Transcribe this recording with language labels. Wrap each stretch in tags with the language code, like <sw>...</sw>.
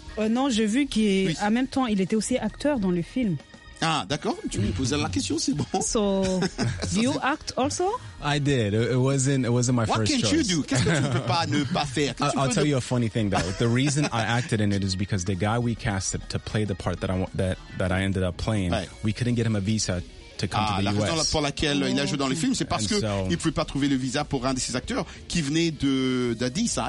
<fr>Non, j'ai vu qu'en même temps, il était aussi acteur dans le film. Ah, d'accord. Tu me posais la question, c'est bon.</fr> <en>So, do you act also? I did. It wasn't my What first choice. What can't you do?</en> <fr>Qu'est-ce que tu ne peux pas ne pas faire?</fr> <en>I'll tell you a funny thing, though. The reason I acted in it is because the guy we casted to play the part that I ended up playing, we couldn't get him a visa to come to the US.</en> <fr>La raison pour laquelle il a joué dans le film, c'est parce qu'il ne pouvait pas trouver le visa pour un de ses acteurs qui venait d'Addis.</fr>